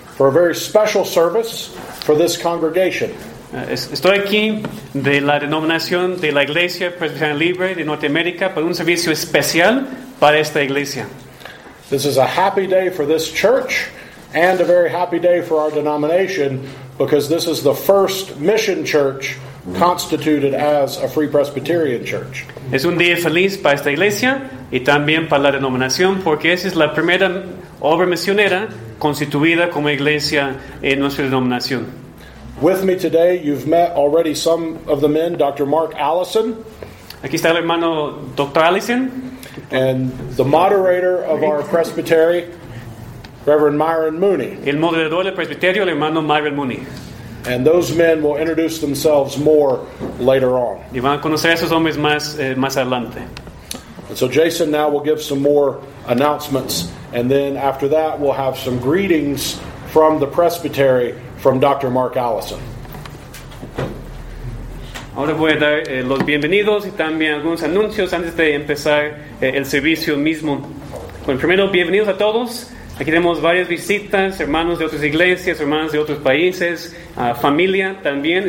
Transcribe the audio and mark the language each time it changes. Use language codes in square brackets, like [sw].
[en] for a very special service for this congregation. [es] Estoy aquí de la denominación de la Iglesia Presbiteriana Libre de Norteamérica para un servicio especial para esta iglesia. [en] This is a happy day for this church and a very happy day for our denomination because this is the first mission church constituted as a Free Presbyterian Church. [es] Es un día feliz para esta iglesia y también para la denominación porque esa es la primera obra misionera constituida como iglesia en nuestra denominación. [en] With me today, you've met already some of the men, Dr. Mark Allison. [es] Aquí está el hermano Dr. Allison. [en] And the moderator of our presbytery, Reverend Myron Mooney. [es] El moderador del presbiterio, el hermano Myron Mooney. [en] And those men will introduce themselves more later on. [es] Y van a conocer a esos hombres más, más adelante. [en] And so Jason now will give some more announcements. And then after that, we'll have some greetings from the presbytery from Dr. Mark Allison. [es] Ahora voy a dar los bienvenidos y también algunos anuncios antes de empezar el servicio mismo. Bueno, primero, bienvenidos a todos. Aquí tenemos varias visitas, hermanos de otras iglesias, hermanos de otros países, familia también.